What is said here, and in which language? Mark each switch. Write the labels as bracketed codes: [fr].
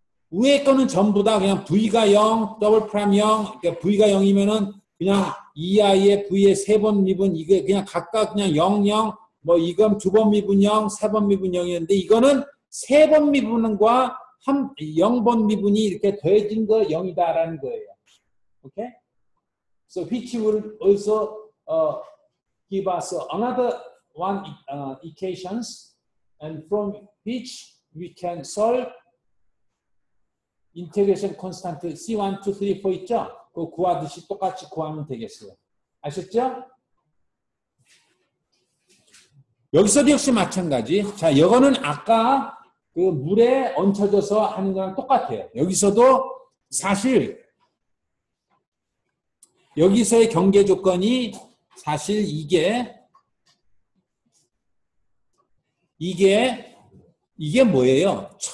[ko] 위에 거는 전부 다 그냥 v가 0, 더블 프라임 0, 그러니까 v가 0이면은 그냥 2i의 v의 세번 미분 이게 그냥 각각 그냥 0, 0, 뭐 이건 두번 미분 0, 세번 미분 0이었는데 이거는 세번 미분과 한 0번 미분이 이렇게 더해진 거 0이다라는 거예요. [en] 오케이? Okay? So which will also give us another one equations and from which we can solve integration constant C1, 2, 3, 4 [ko] 있죠? 그거 구하듯이 똑같이 구하면 되겠어요. 아셨죠? 여기서도 역시 마찬가지. 자, 이거는 아까 그 물에 얹혀져서 하는 거랑 똑같아요. 여기서도 사실 여기서의 경계 조건이 사실 이게 뭐예요?